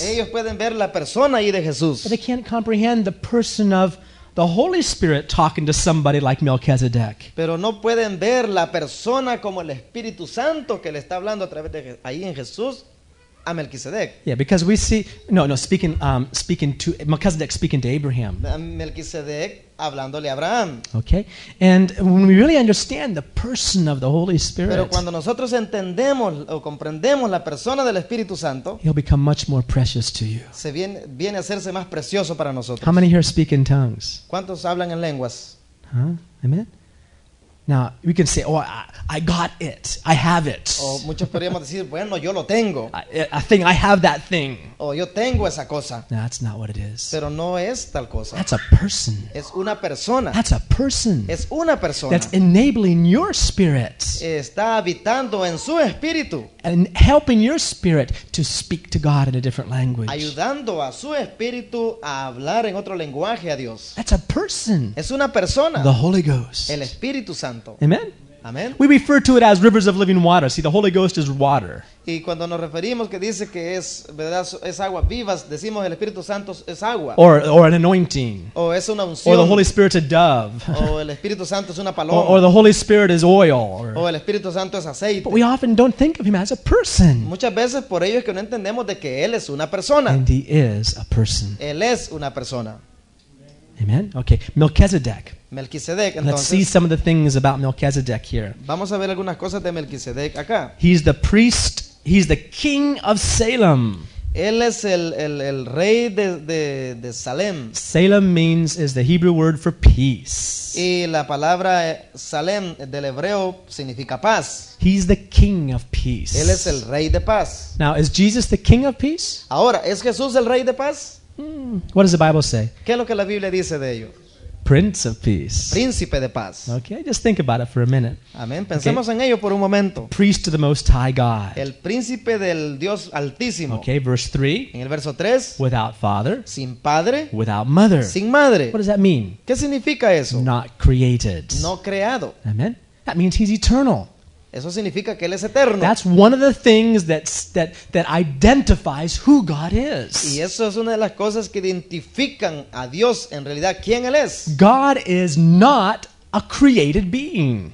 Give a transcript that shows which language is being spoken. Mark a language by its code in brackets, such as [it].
[es] Ellos pueden ver la persona ahí de Jesús. [en] But they can't comprehend the person of the Holy Spirit talking to somebody like Melchizedek. [es] Pero no pueden ver la persona como el Espíritu Santo que le está hablando a través de ahí en Jesús. A Melquisedec. [en] Yeah, because we see speaking to Melchizedek, speaking to Abraham. [es] Melquisedec hablándole a Abraham. [en] Okay, and when we really understand the person of the Holy Spirit, [es] pero cuando nosotros entendemos o comprendemos la persona del Espíritu Santo, [en] he'll become much more precious to you. [es] Se viene a hacerse más precioso para nosotros. [en] How many here speak in tongues? [es] ¿Cuántos hablan en lenguas? [en] Huh? Amen. Now we can say, "Oh, I got it. I have it." [es] O muchos podríamos decir, "Bueno, yo lo tengo." [en] I think I have that thing. [es] O yo tengo esa cosa. [en] No, that's not what it is. [es] Pero no es tal cosa. [en] That's a person. [es] Es una persona. [en] That's a person. person. [es] Es una persona. [en] That's enabling your spirit. [es] Está habitando en su espíritu. [en] And helping your spirit to speak to God in a different language. [es] Ayudando a su espíritu a hablar en otro lenguaje a Dios. [en] That's a person. [es] Es una persona. [en] The Holy Ghost. [es] El Espíritu Santo. [en] Amen. [es] Amen. [en] We refer to it as rivers of living water. See, the Holy Ghost is water. [es] Y cuando nos referimos que dice que es, ¿verdad? Es agua vivas, decimos el Espíritu Santo es agua. [en] Or an anointing. [es] O es una unción. [en] Or the Holy Spirit's a dove. [es] O el Espíritu Santo es una paloma. [en] Or the Holy Spirit is oil. [es] O el Espíritu Santo es aceite. [en] But we often don't think of him as a person. [es] Muchas veces por ello es que no entendemos de que él es una persona. [en] And he is a person. [es] Él es una persona. [en] Amen. Okay, Melchizedek. [es] Melchizedek, [en] let's see some of the things about Melchizedek here. [es] Vamos a ver algunas cosas de Melchizedek acá. [en] He's the priest. He's the king of Salem. [es] Él es el rey de Salem. [en] Salem means is the Hebrew word for peace. [es] Y la palabra Salem del hebreo significa paz. [en] He's the king of peace. [es] Él es el rey de paz. [en] Now, is Jesus the king of peace? [es] Ahora, ¿es Jesús el rey de paz? [en] What does the Bible say? [es] ¿Qué es lo que la Biblia dice de ello? [en] Prince of Peace. [es] Príncipe de paz. [en] Okay, just think about it for a minute. [es] Amén. Pensemos okay. En ello por un momento. [en] Priest of the Most High God. [es] El príncipe del Dios Altísimo. [en] Okay, verse 3. [es] En el verso 3. [en] Without father. [es] Sin padre. [en] Without mother. [es] Sin madre. [en] What does that mean? [es] ¿Qué significa eso? [en] Not created. [es] No creado. [en] Amen. That means he's eternal. [es] Eso significa que él es eterno. [en] That's one of the things that identifies who God is. [es] Y eso es una de las cosas que identifican a Dios en realidad quién él es. [en] God is not a created being.